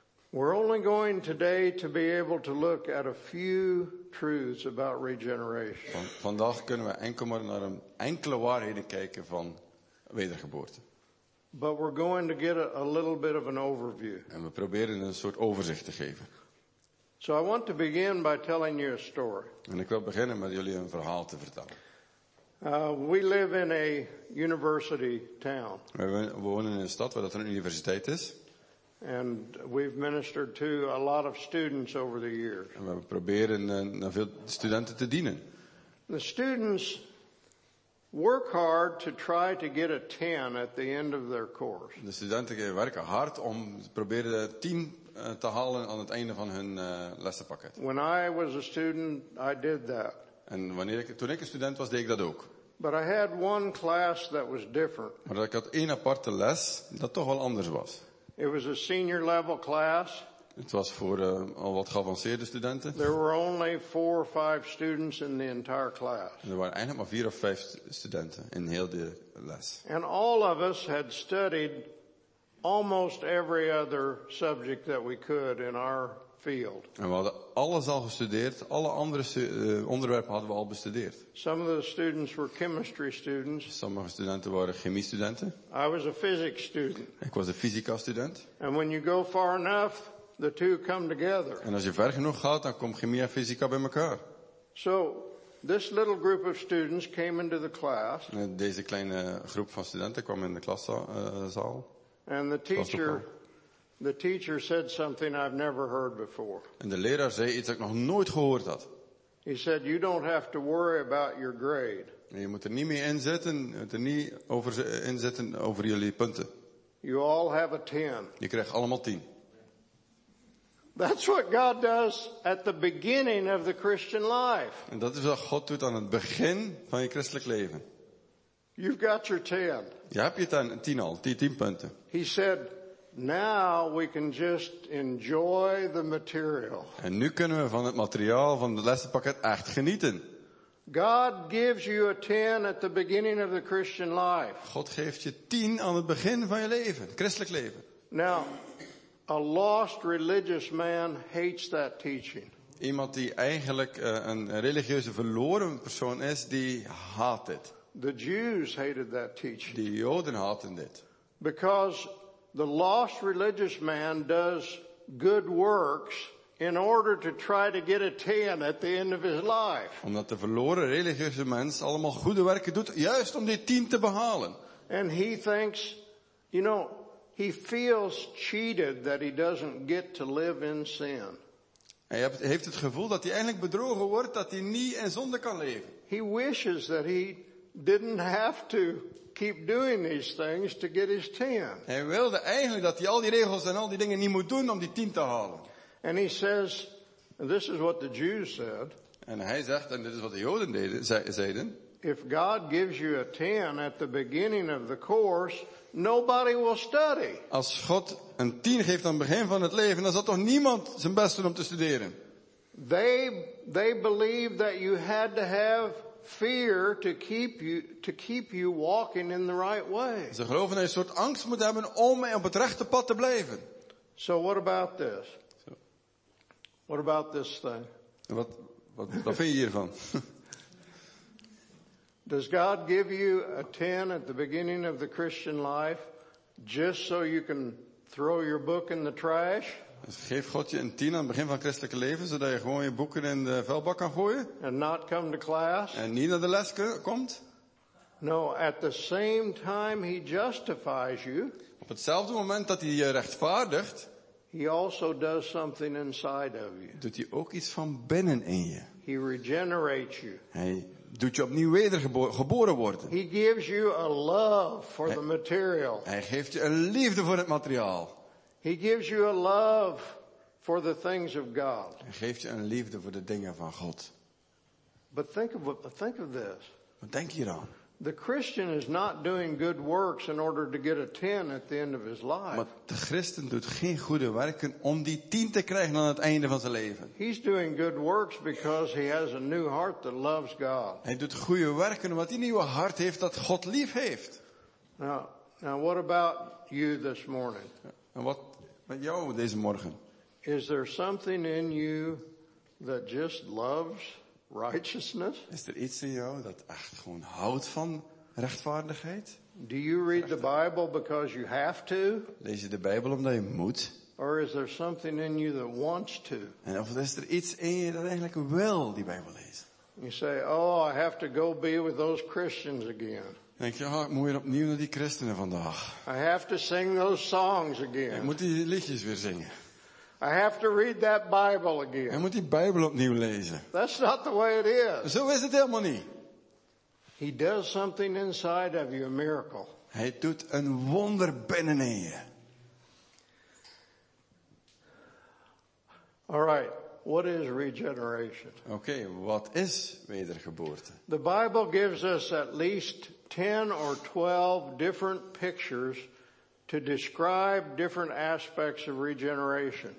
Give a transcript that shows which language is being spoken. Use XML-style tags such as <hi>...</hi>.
<en>We're only going today to be able to look at a few truths about regeneration.</en> <nl>Vandaag kunnen we enkel maar naar enkele waarheden kijken van wedergeboorte.</nl> <en>But we're going to get a little bit of an overview.</en> <nl>En we proberen een soort overzicht te geven.</nl> <en>So I want to begin by telling you a story.</en> <nl>En ik wil beginnen met jullie een verhaal te vertellen.</nl> <en>We live in a university town.</en> <nl>We wonen in een stad waar dat een universiteit is.</nl> <en>And we've ministered to a lot of students over the years.</en> <nl>En we proberen naar veel studenten te dienen.</nl> <en>The students work hard to try to get a 10 at the end of their course.</en> <nl>De studenten werken hard om te proberen de 10 te halen aan het einde van hun lessenpakket.</nl> <en>When I was a student, I did that.</en> <nl>En toen ik een student was, deed ik dat ook.</nl> <en>But I had one class that was different.</en> <nl>Maar ik had één aparte les dat toch wel anders was.</nl> <en>It was a senior level class.</en> <nl>Het was voor al wat geavanceerde studenten.</nl> <en>There were only 4 or 5 students in the entire class.</en> <nl>Er waren eigenlijk maar 4 of 5 studenten in heel de les.</nl> <en>And all of us had studied almost every other subject that we could in our field.</en> <nl>En we hadden alles al gestudeerd. Alle andere onderwerpen hadden we al bestudeerd.</nl> <en>Some of the students were chemistry students.</en> <nl>Sommige studenten waren chemie studenten.</nl> <en>I was a physics student.</en> <nl>Ik was een fysica student.</nl> <en>And when you go far enough, the two come together.</en> <nl>En als je ver genoeg gaat, dan komt chemie en fysica bij elkaar.</nl> <en>So, this little group of students came into the class.</en> <nl>Deze kleine groep van studenten kwam in de klaszaal.</nl> <en>And the teacher said something I've never heard before.</en> <nl>En de leraar zei iets dat ik nog nooit gehoord had.</nl> <en>He said, you don't have to worry about your grade.</en> <nl>En je moet er niet mee inzetten, over jullie punten.</nl> <en>You all have a 10.</en> <nl>Je krijgt allemaal 10.</nl> <en>That's what God does at the beginning of the Christian life.</en> <nl>En dat is wat God doet aan het begin van je christelijk leven.</nl> <en>You've got your 10.</en> <nl>Je hebt je 10 al, 10 punten.</nl> <en>He said, now we can just enjoy the material.</en> <nl>En nu kunnen we van het materiaal van het lessenpakket echt genieten.</nl> <en>God gives you a 10 at the beginning of the Christian life.</en> <nl>God geeft je 10 aan het begin van je leven, het christelijk leven.</nl> <en>Now, a lost religious man hates that teaching.</en> <nl>Iemand die eigenlijk een religieuze verloren persoon is, die haat dit.</nl> <en>The Jews hated that teaching.</en> <nl>De Joden haatten dit.</nl> <en>Because the lost religious man does good works in order to try to get a 10 at the end of his life.</en> <nl>Omdat de verloren religieuze mens allemaal goede werken doet, juist om die 10 te behalen.</nl> <en>And he thinks, you know, he feels cheated that he doesn't get to live in sin.</en> <nl>Hij heeft het gevoel dat hij eigenlijk bedrogen wordt, dat hij niet in zonde kan leven.</nl> <en>He wishes that he didn't have to keep doing these things to get his 10.</en> <nl>Hij wilde eigenlijk dat hij al die regels en al die dingen niet moet doen om die 10 te halen.</nl> <en>And he says, this is what the Jews said.</en> <nl>En hij zegt, en dit is wat de Joden zeiden.</nl> <en>If God gives you a 10 at the beginning of the course, nobody will study.</en> <nl>Als God een 10 geeft aan het begin van het leven, dan zal toch niemand zijn best doen om te studeren.</nl> <en>They believe that you had to have fear to keep you walking in the right way.</en> <nl>Ze geloven dat je een soort angst moet hebben om op het rechte pad te blijven.</nl> <en>So what about this? What about this thing?</en> <nl>Wat vind je hiervan?</nl> <en>Does God give you a 10 at the beginning of the Christian life just so you can throw your book in the trash?</en> <nl>Geeft God je een 10 aan het begin van het christelijke leven zodat je gewoon je boeken in de vuilbak kan gooien?</nl> <en>And not come to class?</en> <nl>En niet naar de les komt?</nl> <en>No, at the same time he justifies you.</en> <nl>Op hetzelfde moment dat hij je rechtvaardigt,</nl> <en>he also does something inside of you.</en> <nl>Doet hij ook iets van binnen in je.</nl> <en>He regenerates you.</en> <nl>Hij doet je opnieuw wedergeboren worden.</nl> <en>He gives you a love for the material.</en> <nl>Hij geeft je een liefde voor het materiaal.</nl> <en>He gives you a love for the things of God.</en> <nl>Hij geeft je een liefde voor de dingen van God.</nl> <en>But think of this.</en> <nl>Maar denk hieraan.</nl> <en>The Christian is not doing good works in order to get a 10 at the end of his life.</en> <nl>Maar de christen doet geen goede werken om die 10 te krijgen aan het einde van zijn leven.</nl> <en>He's doing good works because he has a new heart that loves God.</en> <nl>Hij doet goede werken omdat hij een nieuwe hart heeft dat God lief heeft.</nl> <en>Now what about you this morning?</en> <nl>En wat met jou deze morgen?</nl> <en>Is there something in you that just loves righteousness?</en> <nl>Is er iets in jou dat echt gewoon houdt van rechtvaardigheid?</nl> <en>Do you read the Bible because you have to?</en> <nl>Lees je de Bijbel omdat je moet?</nl> <en>Or is there something in you that wants to?</en> <nl>En of is er iets in je dat eigenlijk wil die Bijbel lezen?</nl> <en>You say, oh, I have to go be with those Christians again.</en> <nl>Denk je, oh, ik moet weer opnieuw naar die christenen vandaag.</nl> <en>I have to sing those songs again.</en> <nl>Ik moet die liedjes weer zingen.</nl> <en>I have to read that Bible again.</en> <nl>Ik moet die Bijbel opnieuw lezen.</nl> <en>That's not the way it is.</en> <nl>Zo is het helemaal niet.</nl> <en>He does something inside of you, a miracle.</en> <nl>Hij doet een wonder binnen in je.</nl> <en>All right. What is regeneration?</en> <nl>Okay,</nl> <en>what</en> <nl>is wedergeboorte?</nl> <en>The Bible gives us at least 10 or 12 different pictures to describe different aspects of regeneration.</en>